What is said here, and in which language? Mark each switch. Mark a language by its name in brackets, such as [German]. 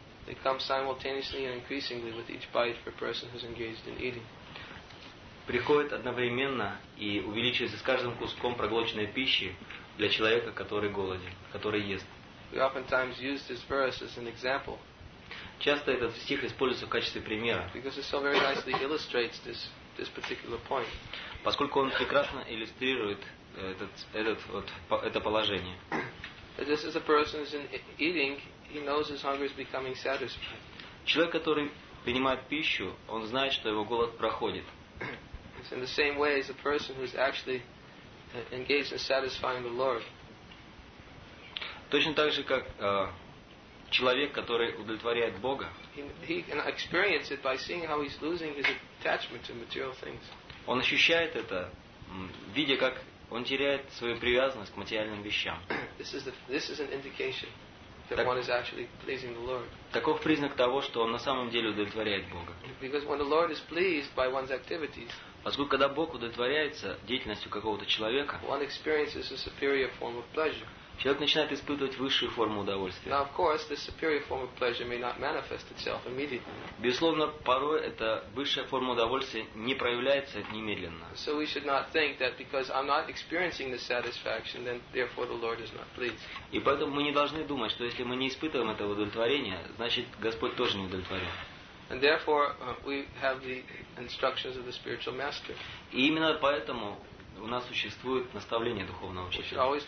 [English] They come simultaneously and increasingly with each bite for a person who's engaged in eating. [Russian] Приходит одновременно и увеличивается с каждым куском проглоченной пищи для человека, который голоден, который ест. [English] We oftentimes use this verse as an example. [Russian] Часто этот стих используется в качестве примера. [English] Because it so very nicely illustrates this particular point. [Russian] Поскольку он прекрасно иллюстрирует это положение. [English] This is a person who's eating. He knows his hunger is becoming satisfied. [Russian] Человек, который принимает пищу, он знает, что его голод проходит. [English] It's in the same way as a person who is actually engaged in satisfying the Lord. [Russian] Точно так же, как человек, который удовлетворяет Бога. [English] He can experience it by seeing how he's losing his attachment to material things. [Russian] Он ощущает это, видя, как он теряет свою привязанность к материальным вещам. [English] This is an indication. That one is actually pleasing the Lord. [Russian] Таков признак того, что он на самом деле удовлетворяет Бога. [English] Because when the Lord is pleased by one's activities, [Russian] поскольку когда Бог удовлетворяется деятельностью какого-то человека, [English] one experiences a superior form of pleasure. [Russian] Человек начинает испытывать высшую форму удовольствия. [English] Now, of course, this superior form of pleasure may not manifest itself immediately. [Russian] Безусловно, порой эта высшая форма удовольствия не проявляется немедленно. [English] So we should not think that because I'm not experiencing the satisfaction, then therefore the Lord is not pleased. [Russian] И поэтому мы не должны думать, что если мы не испытываем этого удовлетворения, значит Господь тоже не удовлетворен. [English] And therefore, we have the instructions of the spiritual master. [Russian] И именно поэтому у нас существует наставление духовного учителя.